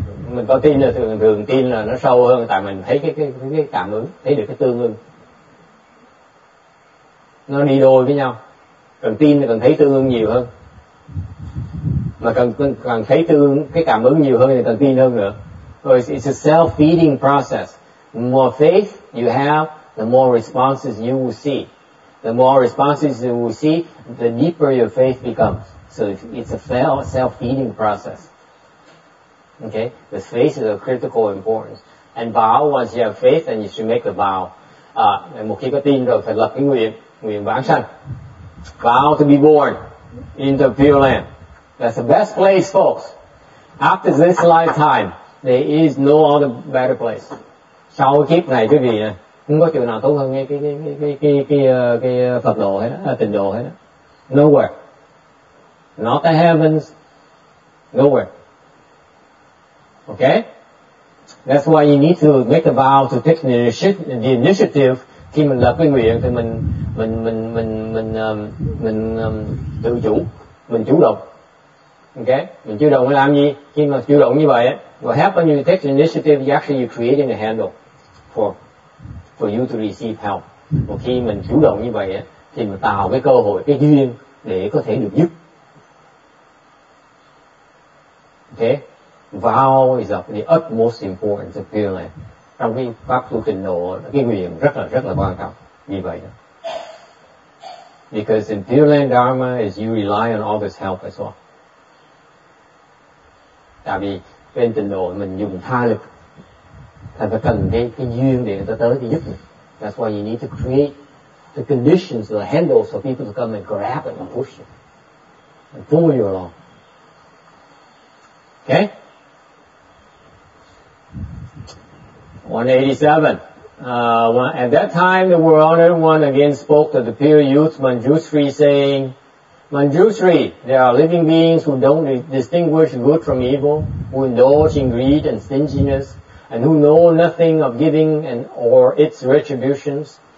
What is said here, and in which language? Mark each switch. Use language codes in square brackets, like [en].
[vi] Mình có tin là thường tin là nó sâu hơn tại mình thấy cái cảm ứng, thấy được cái tương ứng. Nó đi đôi với nhau. Cần tin thì cần thấy tương ứng nhiều hơn. Mà cần thấy tương ứng, cái cảm ứng nhiều hơn thì cần tin hơn nữa. [en] So it's a self-feeding process. The more faith you have, the more responses you will see. The more responses you will see, the deeper your faith becomes. So it's a self-feeding process. Okay? The faith is of critical importance. And vow, once you have faith, then you should make a vow. [vi] Một khi có tin rồi, phải lập cái nguyện vãng sanh. [en] Vow to be born into Pure Land. That's the best place, folks. After this lifetime, there is no other better place. [vi] Sau kiếp này, quý vị, không có chỗ nào tốt hơn cái Phật độ hết á, tịnh độ hết á. [en] Nowhere. Not the heavens. Nowhere. Okay? That's why you need to make the vow to take the initiative. [vi] Khi mình lập cái nguyện thì mình tự chủ, mình chủ động. Okay? Mình chủ động làm gì? Khi mà chủ động như vậy, [en] what happens when you take the initiative, you actually creating a handle for you to receive help. [vi] Một khi mình chủ động như vậy, thì mình tạo cái cơ hội, cái duyên để có thể được giúp. Okay? [en] Vow is of the utmost importance of feeling. [vi] Trong khi pháp tu trình độ, cái nguyện rất là quan trọng. Như vậy đó. [en] Because in Pure Land Dharma is you rely on all this help as well. [vi] Tại vì bên trình độ mình dùng tha lực. Thành ta cần cái duyên để người ta tới thì giúp mình. [en] That's why you need to create the conditions, the handles for people to come and grab it and push it. And pull you along. Okay? 187. At that time, the world honored one again spoke to the pure youth Manjushri, saying, Manjushri, there are living beings who don't distinguish good from evil, who indulge in greed and stinginess, and who know nothing of giving and or its retributions.